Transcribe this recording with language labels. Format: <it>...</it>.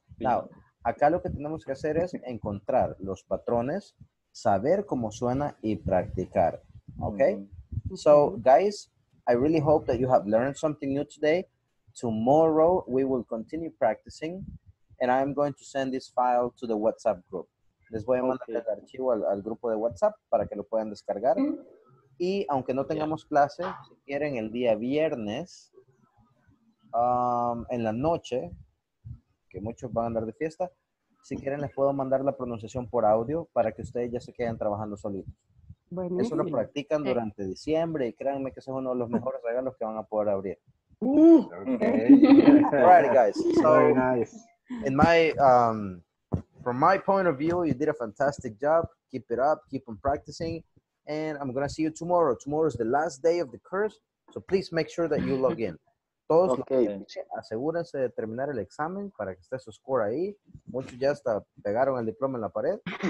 <es>Now, acá lo que tenemos que hacer es encontrar los patrones, saber cómo suena y practicar.</es> <en>Okay? Mm-hmm. So, guys, I really hope that you have learned something new today. Tomorrow, we will continue practicing, and I'm going to send this file to the WhatsApp group.</en> <es>Les voy a mandar el archivo al grupo de WhatsApp para que lo puedan descargar. Mm-hmm. Y aunque no tengamos clase, si quieren, el día viernes, en la noche, que muchos van a andar de fiesta, si quieren les puedo mandar la pronunciación por audio para que ustedes ya se queden trabajando solitos. Bueno, eso lo practican durante diciembre y créanme que ese es uno de los mejores regalos que van a poder abrir.</es> <en>Okay. All right, guys. So, very nice. In my, from my point of view, you did a fantastic job. Keep it up. Keep on practicing. And I'm going to see you tomorrow. Tomorrow is the last day of the course. So please make sure that you log in.</en> <es>todos, okay. Asegúrense de terminar el examen para que esté su score ahí. Muchos ya hasta pegaron el diploma en la pared.</es>